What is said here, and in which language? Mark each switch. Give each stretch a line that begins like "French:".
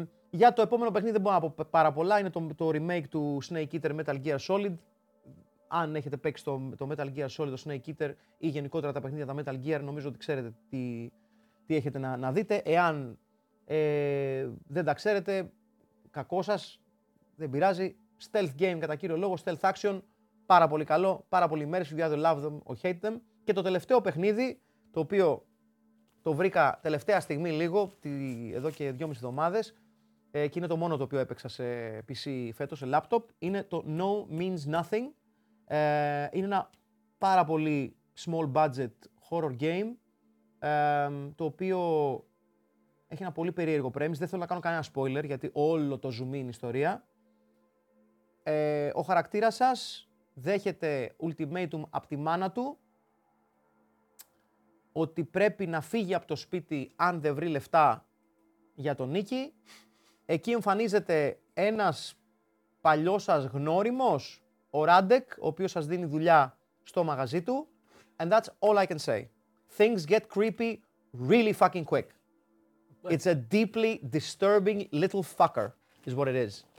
Greek: Για το επόμενο παιχνίδι δεν μπορώ να πω πάρα πολλά, είναι το remake του Snake Eater Metal Gear Solid. Αν έχετε παίξει το Metal Gear Solid, το Snake Eater ή γενικότερα τα παιχνίδια τα Metal Gear, νομίζω ότι ξέρετε τι έχετε να δείτε. Εάν δεν τα ξέρετε, κακό σας, δεν πειράζει. Stealth game κατά κύριο λόγο, stealth action, πάρα πολύ καλό, πάρα πολύ immersive,
English: you either love them or hate them.
Greek: Και το τελευταίο παιχνίδι, το οποίο το βρήκα τελευταία στιγμή λίγο, εδώ και 2,5 εβδομάδες, και είναι το μόνο το οποίο έπαιξα σε PC φέτος, σε laptop, είναι το No Means Nothing. Είναι ένα πάρα πολύ small budget horror game, το οποίο έχει ένα πολύ περίεργο premise. Δεν θέλω να κάνω κανένα spoiler γιατί όλο το zoom είναι ιστορία. Ο χαρακτήρας σας δέχεται ultimatum από τη μάνα του ότι πρέπει να φύγει από το σπίτι αν δεν βρει λεφτά για τον Νίκη. Εκεί εμφανίζεται ένας παλιός σας γνώριμος, ο Ράντεκ, ο οποίος σας δίνει δουλειά στο μαγαζί του.
English: And that's all I can say. Things get creepy really fucking quick. It's a deeply disturbing little fucker, is what it is.